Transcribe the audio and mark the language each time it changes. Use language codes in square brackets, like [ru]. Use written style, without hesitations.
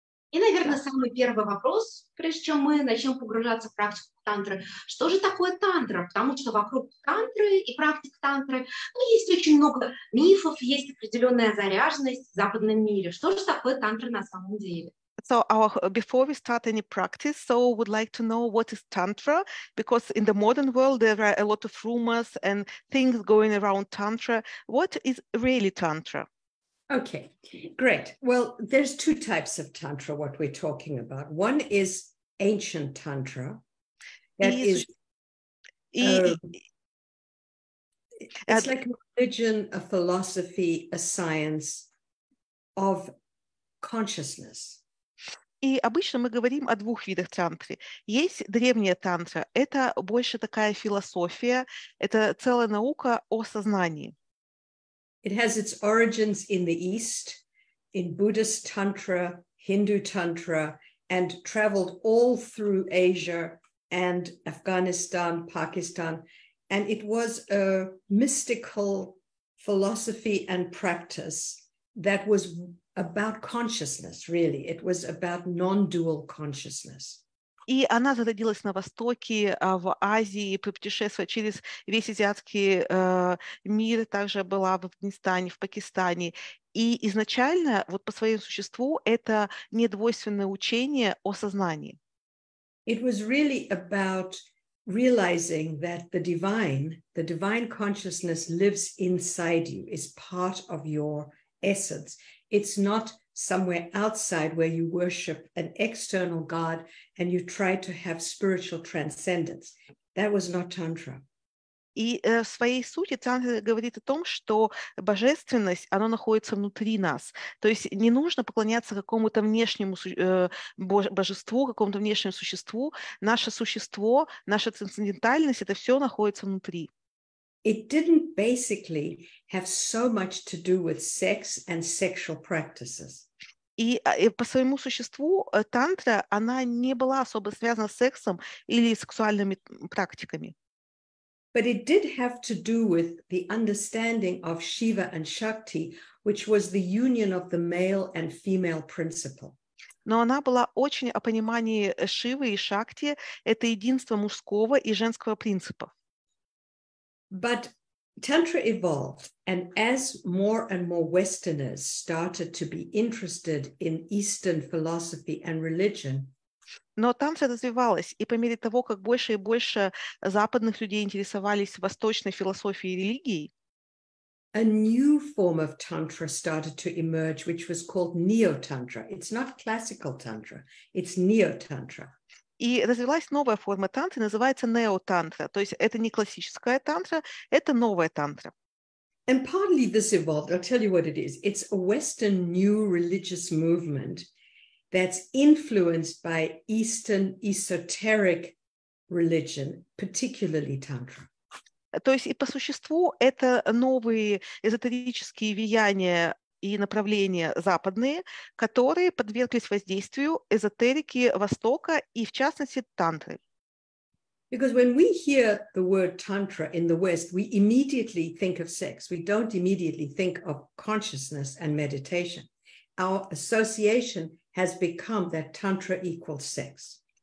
[ru] И, наверное, самый первый вопрос, прежде чем мы начнем погружаться в практику тантры. Что же такое тантра? Потому что вокруг тантры и практик тантры, ну, есть очень много мифов, есть определенная заряженность в западном мире. Что же такое тантра на самом деле? [en] So our, before we start any practice, so we'd like to know what is tantra, because in the modern world there are a lot of rumors and things going around tantra. What is really tantra? Okay, great. Well, there's two types of tantra, what we're talking about. One is ancient tantra. That is it's like a religion, a philosophy, a science of consciousness. [ru] И обычно мы говорим о двух видах тантры. Есть древняя тантра. Это больше такая философия. Это целая наука о сознании. [en] It has its origins in the East, in Buddhist tantra, Hindu tantra, and traveled all through Asia and Afghanistan, Pakistan. And it was a mystical philosophy and practice that was about consciousness, really. It was about non-dual consciousness. [ru] И она зародилась на Востоке, в Азии, путешествовала через весь азиатский мир, также была в Афганистане, в Пакистане. И изначально, вот по своему существу, это недвойственное учение о сознании. [en] It was really about realizing that the divine consciousness lives inside you, is part of your essence. It's not somewhere outside where you worship an external god and you try to have spiritual transcendence. That was not tantra. [ru] И в своей сути тантра говорит о том, что божественность, она находится внутри нас. То есть не нужно поклоняться какому-то внешнему божеству, какому-то внешнему существу. Наше существо, наша трансцендентальность, это все находится внутри. [en] It didn't basically have so much to do with sex and sexual practices. [ru] И по своему существу тантра, она не была особо связана с сексом или сексуальными практиками. [en] But it did have to do with the understanding of Shiva and Shakti, which was the union of the male and female principle. [ru] Но она была очень о понимании Шивы и Шакти, это единство мужского и женского принципа. [en] But Tantra evolved, and as more and more Westerners started to be interested in Eastern philosophy and religion, [ru] но тантра развивалась, и по мере того, как больше и больше западных людей интересовались восточной философией и религией, [en] a new form of Tantra started to emerge, which was called Neo-Tantra. It's not classical Tantra, it's Neo-Tantra. [ru] И развилась новая форма тантры, называется нео-тантра. То есть это не классическая тантра, это новая тантра. [en] And partly this evolved, I'll tell you what it is. It's a Western new religious movement that's influenced by Eastern esoteric religion, particularly tantra. [ru] То есть и по существу это новые эзотерические влияния и направления западные, которые подверглись воздействию эзотерики Востока и, в частности, тантры. [en] Because when we hear the word tantra in the West, we immediately think of sex. We don't immediately think of consciousness and meditation. our association has become that tantra equals sex.